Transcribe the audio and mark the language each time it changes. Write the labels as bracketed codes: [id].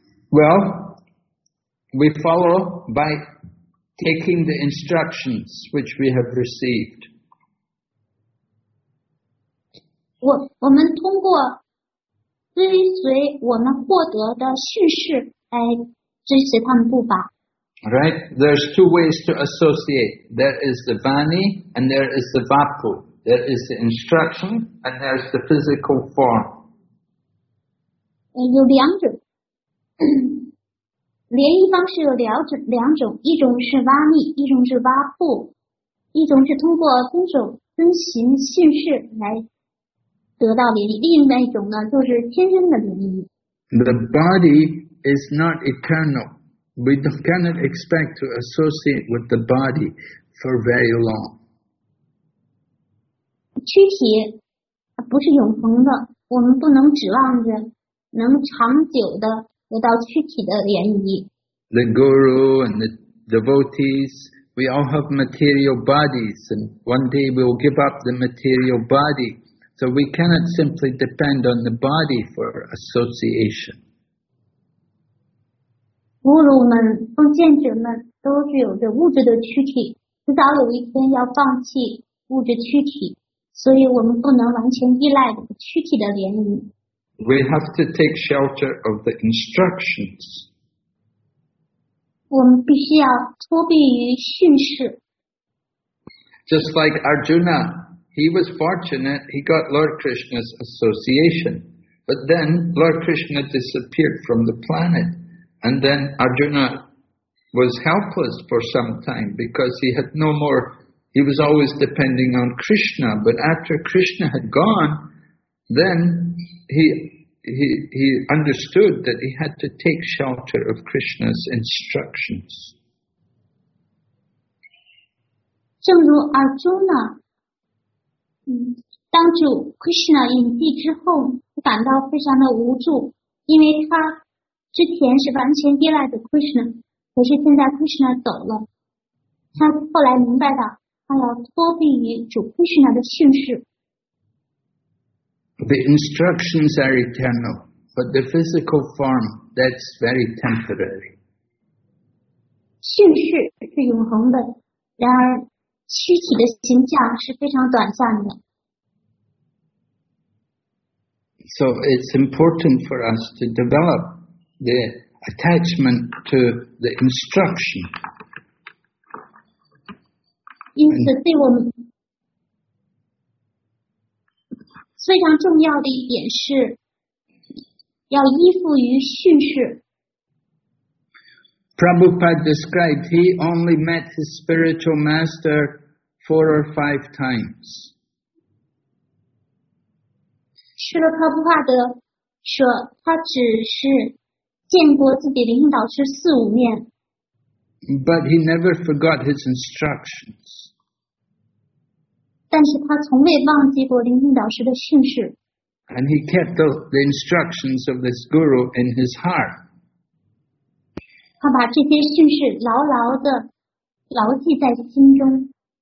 [en] Well, we follow by taking the instructions which we have received. [zh] 我们通过追随我们获得的叙事来追随他们步伐。 [en] Right, there's two ways to associate. There is the vani and there is the vapu. There is the instruction and there's the physical form. [zh] 有两种，联谊方式有两种，一种是vani，一种是vapu，一种是通过遵守遵行训示来得到联谊，另外一种呢就是天生的联谊。 [en] The body is not eternal. We cannot expect to associate with the body for very long. [zh] 躯体不是永恒的，我们不能指望着能长久的得到躯体的联谊。 [en] The guru and the devotees, we all have material bodies, and one day we'll give up the material body. So we cannot simply depend on the body for association. [zh] 古鲁们、奉献者们都具有着物质的躯体，迟早有一天要放弃物质躯体，所以我们不能完全依赖躯体的联谊。 [en] We have to take shelter of the instructions. [zh] 我们必须要托庇于训示。 [en] Just like Arjuna, he was fortunate he got Lord Krishna's association, but then Lord Krishna disappeared from the planet. And then Arjuna was helpless for some time because he had no more, he was always depending on Krishna. But after Krishna had gone, then he understood that he had to take shelter of Krishna's instructions. [zh] 正如 Arjuna, 当主 Krishna 隐蔽之后感到非常的无助，因为他之前是完全依赖着 Krishna， 可是现在 Krishna 走了，他后来明白了，他要托庇于主 Krishna 的训示。 [en] The instructions are eternal, but the physical form that's very temporary. [zh] 训示是永恒的，然而躯体的形象是非常短暂的。 [en] So it's important for us to develop. The attachment to the instruction. [zh] 因此对我们非常重要的一点是要依附于训示。 [en] Prabhupada described he only met his spiritual master 4 or 5 times. [zh] 释迦牟尼佛菩萨的说他只是见过自己的领导师四五面。 [en] But he never forgot his instructions. [zh] 但是他从未忘记过领导师的训示。 [en] And he kept the instructions of this guru in his heart. [zh] 他把这些训示牢牢地牢记在心中。